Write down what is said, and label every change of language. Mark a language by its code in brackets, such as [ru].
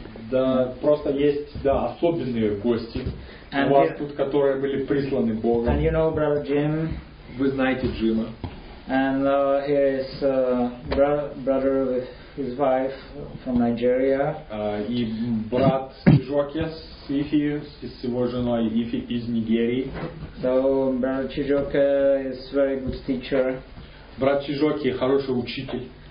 [ru] Да, просто есть, да, особенные гости у вас тут, которые были присланы Богом. [en] And you know brother Jim. [ru] Вы знаете Джима. [en] And he is brother with his wife from Nigeria. [ru] И брат Чижокес с Ифи, с его женой Ифи из Нигерии. [en] So brother Чижоке is very good teacher. [ru] Брат Чижоке хороший учитель.